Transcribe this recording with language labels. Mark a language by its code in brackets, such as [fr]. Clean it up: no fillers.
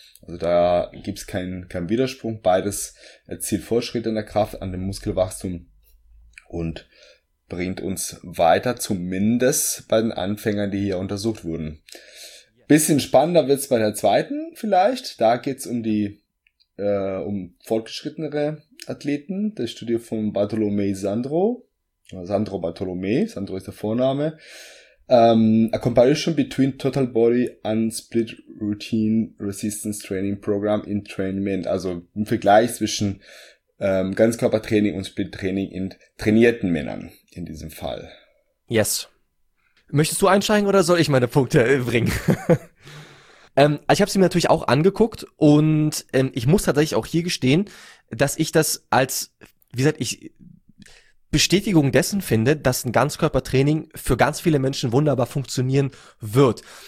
[de] Also da gibt es keinen Widerspruch. Beides erzielt Fortschritte an der Kraft, an dem Muskelwachstum und bringt uns weiter, zumindest bei den Anfängern, die hier untersucht wurden. Bisschen spannender wird es bei der zweiten vielleicht. Da geht es um fortgeschrittenere Athleten. Das Studio von Bartolomei Sandro. Sandro Bartolomei, Sandro ist der Vorname. [en] A comparison between total body and split routine resistance training program in trainment. [de] Also ein Vergleich zwischen Ganzkörpertraining und Split-Training in trainierten Männern in diesem Fall. [en] Yes. [de] Möchtest du einsteigen oder soll ich meine Punkte bringen? ich habe sie mir natürlich auch angeguckt und ich muss tatsächlich auch hier gestehen, dass ich das als, wie gesagt, ich Bestätigung dessen finde, dass ein Ganzkörpertraining für ganz viele Menschen wunderbar funktionieren wird.